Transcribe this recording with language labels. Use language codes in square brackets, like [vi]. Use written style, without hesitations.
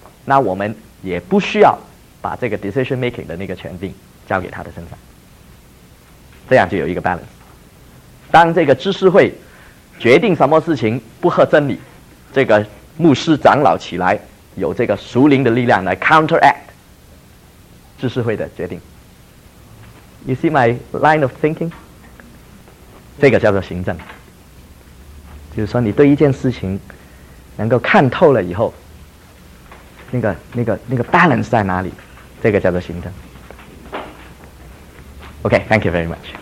[zh] 那我们也不需要把这个 decision making 的那个权柄交给他的身上，这样就有一个 balance。当这个知识会决定什么事情不合真理，这个牧师长老起来有这个属灵的力量来 counteract 知识会的决定。 [en] You see my line of thinking? [zh] 这个叫做行政，就是说你对一件事情能够看透了以后，那个 balance 在哪里，这个叫做行政。 [en] OK, thank you very much。